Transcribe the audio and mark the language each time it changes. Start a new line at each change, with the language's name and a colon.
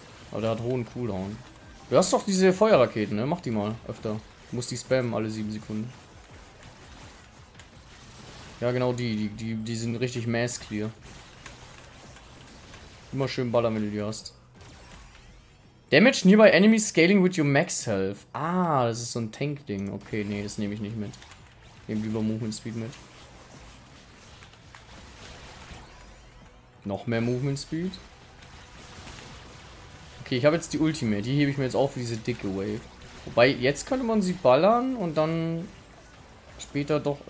German: Aber der hat hohen Cooldown. Du hast doch diese Feuerraketen, ne? Mach die mal öfter. Du musst die spammen alle 7 Sekunden. Ja, genau die sind richtig mass clear. Immer schön ballern, wenn du die hast.
English: Damage nearby enemies scaling with your max health.
German: Ah, das ist so ein Tank-Ding. Okay, nee, das nehme ich nicht mit. Nehme lieber Movement Speed mit. Noch mehr Movement Speed. Okay, ich habe jetzt die Ultimate. Die hebe ich mir jetzt auf für diese dicke Wave. Wobei, jetzt könnte man sie ballern und dann später doch.